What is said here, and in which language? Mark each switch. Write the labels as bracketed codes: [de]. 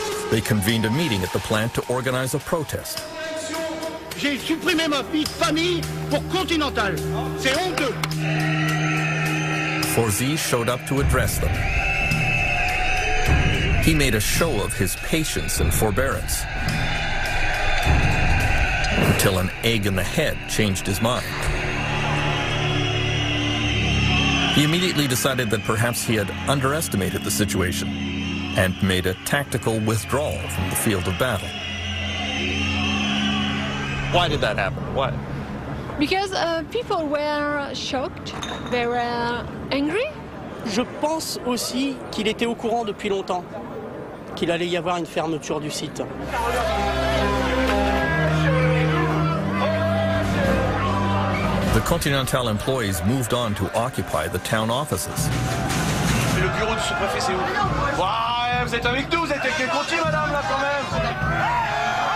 [en] They convened a meeting at the plant to organize a protest. [fr] J'ai supprimé ma vie de famille pour Continental. C'est honteux. [en] Forzy showed up to address them. He made a show of his patience and forbearance until an egg in the head changed his mind. He immediately decided that perhaps he had underestimated the situation and made a tactical withdrawal from the field of battle. Why did that happen? Why? Because people were shocked. They were angry. [fr] Je pense aussi qu'il était au courant depuis longtemps qu'il allait y avoir une fermeture du site. [en] The Continental employees moved on to occupy the town offices. [fr] Le bureau du sous-préfet, c'est où? Vous êtes avec nous, vous êtes avec les comptes, madame, là, quand même.